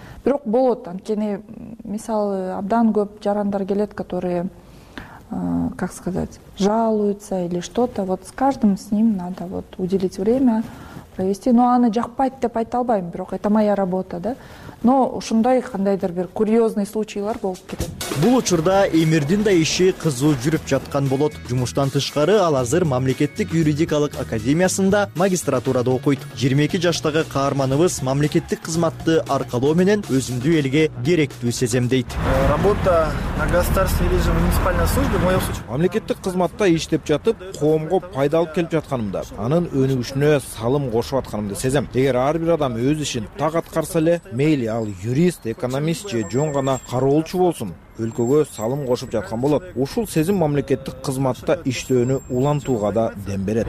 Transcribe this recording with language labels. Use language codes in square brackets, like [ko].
[ky] Бирок болот, анткени мисалы абдан көп жарандар келет, [ru] которые как сказать, жалуются или что-то. Вот с каждым с ним надо вот уделить время провести. [ky] Но аны жакпайт деп айта албайм, бирок [ru] это моя работа, [ky] да. Но ушундай кандайдыр бир курьезный случайлар болуп келет. Бул учурда Эмирдин да иши кызуу жүрүп жаткан болот. Жумуштан тышкары ал азыр мамлекеттик юридикалык академиясында магистратурада окуйт. 22 жаштагы каарманыбыз мамлекеттик кызматты аркалоо менен өзүмдү элге керектүү сезем дейт. [ru] Работа на государственной или же муниципальной службе в моем случае. [ky] Мамлекеттик кызматта иштеп жатып, коомго пайдалуу келип жатканымда, анын өнүгүшүнө салым кошуп атканымды сезем. Эгер ар бир адам өз ишин так аткарса эле, мейли ал юрист, экономист же жөн гана кароолчу болсун, өлкөгө салым кошуп жаткан болот. Ушул сезим мамлекеттик кызматта иштөөнү улантууга да дем берет.